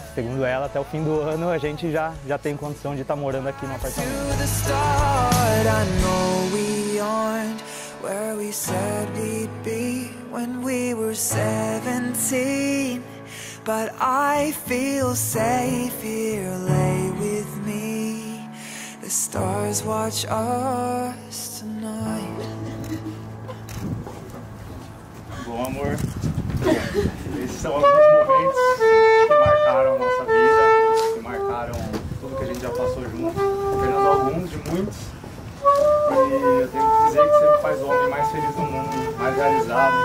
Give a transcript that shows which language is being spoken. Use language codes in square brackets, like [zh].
[pt] Segundo ela, até o fim do ano a gente já tem condição de estar morando aqui no apartamento. [en] But I feel safe here, lay with me. The stars watch us tonight. [pt] Bom, amor. Esses são alguns momentos que marcaram a nossa vida, que marcaram tudo que a gente já passou junto, apenas alguns de muitos. E eu tenho que dizer que você faz o homem mais feliz do mundo, mais realizado.